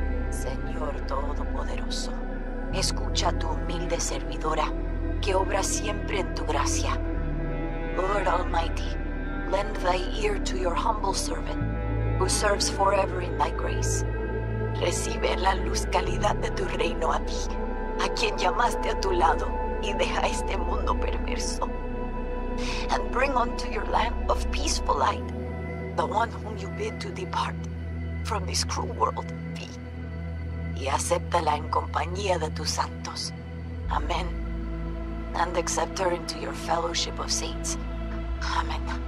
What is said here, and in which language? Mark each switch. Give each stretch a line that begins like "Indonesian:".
Spanish: Señor Todopoderoso, escucha tu humilde servidora. Que obra siempre en tu gracia.
English: Lord Almighty, lend thy ear to your humble servant, who serves forever in thy grace.
Spanish: Recibe la luz calidad de tu reino a ti, a quien llamaste a tu lado y deja este mundo perverso.
English: And bring unto your lamp of peaceful light the one whom you bid to depart from this cruel world, Vi.
Spanish: Y acéptala en compañía de tus santos. Amen.
English: And accept her into your fellowship of saints. Amen.